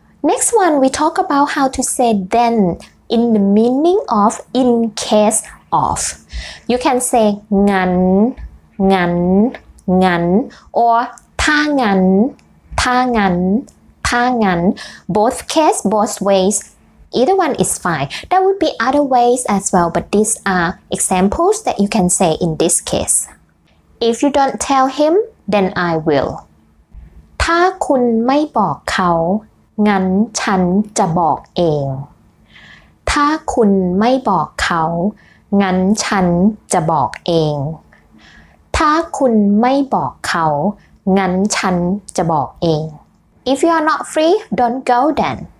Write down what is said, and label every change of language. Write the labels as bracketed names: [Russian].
[English] Next one we talk about how to say then in the meaning of in case of You can say งั้นงั้นงั้น or ถ้างั้นถ้างั้นถ้างั้น both case both waysEither one is fine. There would be other ways as well, but these are examples that you can say in this case. If you don't tell him, then I will. [Thai] ถ้าคุณไม่บอกเขางั้นฉันจะบอกเองถ้าคุณไม่บอกเขางั้นฉันจะบอกเองถ้าคุณไม่บอกเขางั้นฉันจะบอกเอง [English] If you are not free, don't go then.